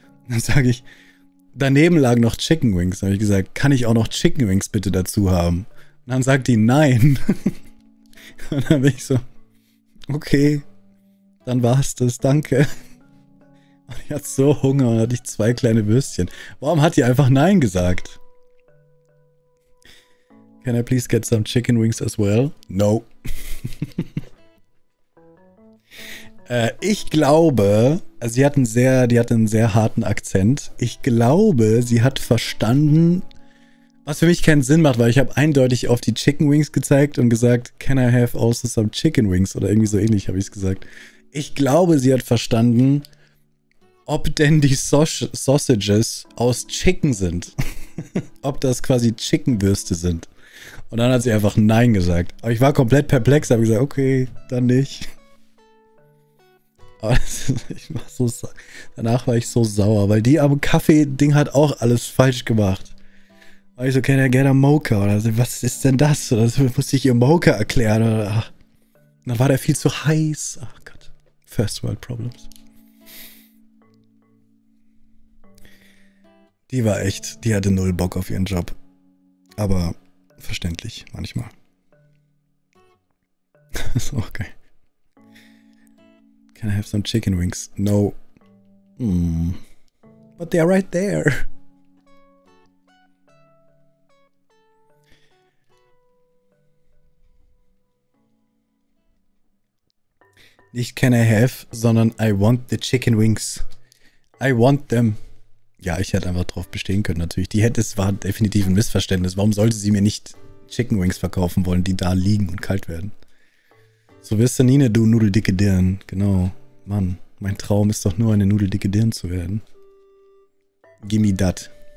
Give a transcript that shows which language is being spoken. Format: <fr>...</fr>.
<de>Dann sage ich, daneben lagen noch Chicken Wings. Dann habe ich gesagt, kann ich auch noch Chicken Wings bitte dazu haben? Und dann sagt die, nein. Und dann bin ich so, okay, dann war's das, danke. Und ich hatte so Hunger und hatte ich 2 kleine Würstchen. Warum hat die einfach nein gesagt?</de> <en>Can I please get some chicken wings as well? No.</en> <de>ich glaube, also die hat einen sehr harten Akzent. Ich glaube, sie hat verstanden, Was für mich keinen Sinn macht, weil ich habe eindeutig auf die Chicken Wings gezeigt und gesagt,</de> <en>can I have also some Chicken Wings?</en> <de>Oder irgendwie so ähnlich habe ich es gesagt. Ich glaube, sie hat verstanden, ob denn die Sausages aus Chicken sind. Ob das quasi Chickenwürste sind. Und dann hat sie einfach Nein gesagt. Aber ich war komplett perplex, habe gesagt, okay, dann nicht. Ich war so, danach war ich so sauer, weil die am Kaffee-Ding hat auch alles falsch gemacht. War ich so,</de> <en>can I get a Mocha?</en> <de>Oder so, was ist denn das? Oder so, muss ich ihr Mocha erklären? Oder, ach, dann war der viel zu heiß. Ach Gott, First World Problems. Die war echt, die hatte null Bock auf ihren Job. Aber verständlich, manchmal. Das ist auch geil.</de> <en>Can I have some chicken wings? No. But they are right there. Nicht can I have, sondern I want the chicken wings. I want them.</en> <de>Ja, ich hätte einfach drauf bestehen können, natürlich. Die hätte, es war definitiv ein Missverständnis. Warum sollte sie mir nicht Chicken Wings verkaufen wollen, die da liegen und kalt werden? So wirst du nie eine, du nudeldicke Dirn. Genau. Mann, mein Traum ist doch nur, eine nudeldicke Dirn zu werden.</de> <en>Gimme dat.</en>